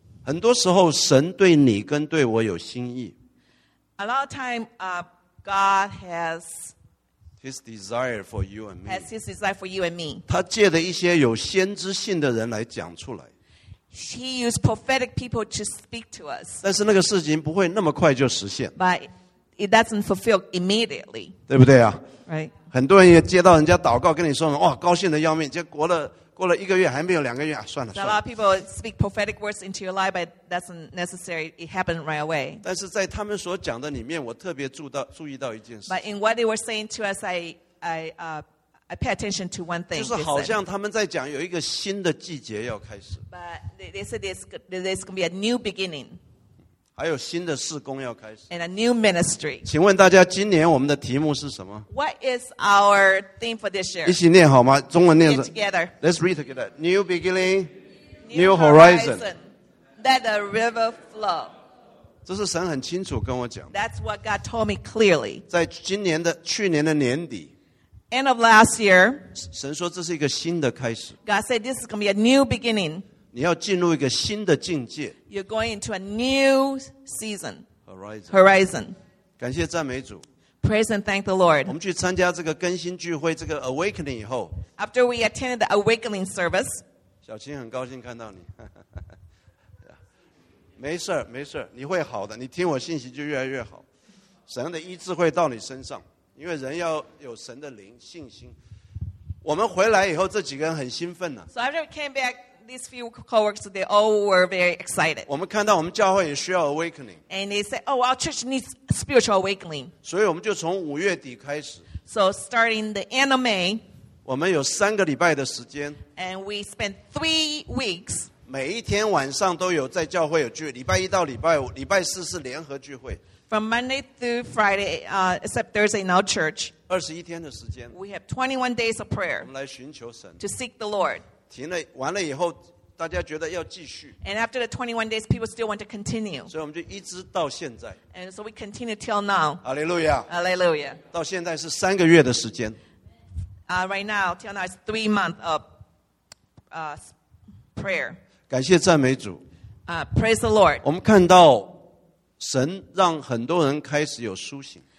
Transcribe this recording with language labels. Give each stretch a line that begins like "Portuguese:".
Chinese: 很多时候神对你跟对我有心意。
English: A lot of time, God has His desire for you and me. Has His desire for you and me.
Chinese: 他借着一些有先知性的人来讲出来。
English: He used prophetic people to speak to us.
Chinese: 但是那个事情不会那么快就实现。
English: But it doesn't fulfill immediately.
Chinese: 对不对啊?
English: Right.
Chinese: 很多人也接到人家祷告跟你说,哇,高兴的要命,结果过了一个月,还没有两个月,算了,算了。
English: A lot of people speak prophetic words into your life, but that's not necessary. It happened right away.
Chinese: 但是在他们所讲的里面,我特别注意到一件事。
English: But in what they were saying to us, I pay attention to one thing.
Chinese: 就是好像他们在讲有一个新的季节要开始。
English: But they said there's going to be a new beginning.
Chinese: 还有新的事工要开始。
English: And a new ministry.
Chinese: 请问大家今年我们的题目是什么?
English: What is our theme for this year?
Chinese: 一起念好吗?中文念着。
English: Together. Let's read together. New beginning, new horizon. Let the river flow.
Chinese: 这是神很清楚跟我讲。
English: That's what God told me clearly.
Chinese: 在去年的年底,
English: end of last year,
Chinese: 神说这是一个新的开始。
English: God said this is going to be a new beginning.
Chinese: 你要进入一个新的境界。
English: You're going into a new season. Horizon.
Chinese: 感谢赞美主。
English: Praise and thank the Lord.
Chinese: 我们去参加这个更新聚会, 这个awakening以后,
English: after we attended the awakening service,
Chinese: 小青很高兴看到你。没事, 没事, 你会好的, 你听我信息就越来越好。神的医治会到你身上。因为人要有神的灵信心。我们回来以后这几个人很兴奋啊。
English: So after we came back, these few co-workers, they all were very excited.
Chinese: 我们看到我们教会也需要awakening.
English: And they said, oh, our church needs spiritual awakening.
Chinese: 所以我们就从5月底开始。
English: So starting the end of May,
Chinese: 我们有3个礼拜的时间。
English: And we spent 3 weeks.
Chinese: 每一天晚上都有在教会有聚, 礼拜一到礼拜五, 礼拜四是联合聚会。
English: From Monday through Friday, except Thursday in our church,
Chinese: 21天的时间,
English: we have 21 days of prayer to seek the Lord.
Chinese: 停了,完了以后,
English: and after the 21 days, people still want to continue.
Chinese: 所以我们就一直到现在,
English: and so we continue till now. Hallelujah. Hallelujah.
Chinese: 到现在是3个月的时间,
English: right now, till now, it's 3 months of prayer.
Chinese: 感谢赞美主,
English: praise the Lord.
Chinese: 我们看到, 神让很多人开始有苏醒。